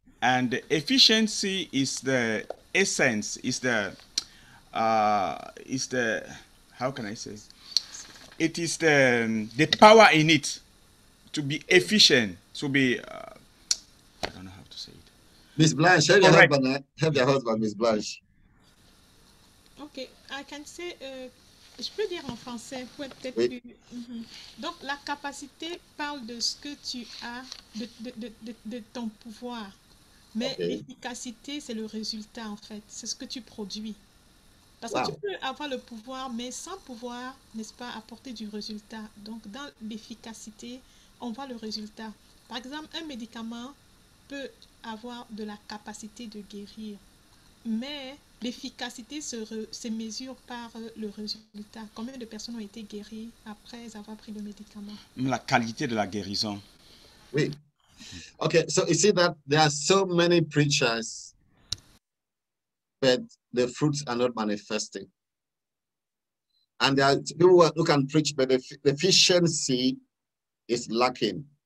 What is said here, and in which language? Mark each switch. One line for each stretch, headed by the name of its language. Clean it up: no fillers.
English: And the efficiency is the essence, is the power in it to be efficient, to be, I don't know how to say it. Miss Blanche, help your husband, Miss Blanche. Okay, I can say,
French: je peux dire en français, peut-être. Oui. Plus, Donc, la capacité parle de ce que tu as, de ton pouvoir. Mais okay. L'efficacité, c'est le résultat, en fait. C'est ce que tu produis. Parce que tu peux avoir le pouvoir, mais sans pouvoir, n'est-ce pas, apporter du résultat. Donc, dans l'efficacité, on voit le résultat. Par exemple, un médicament peut avoir de la capacité de guérir, mais l'efficacité se mesure par le résultat. Combien de personnes ont été guéries après avoir pris le médicament? La qualité de la guérison. Oui.
English: OK, so you see that there are so many preachers, but the fruits are not manifesting. And there are people who can preach, but the efficiency is lacking.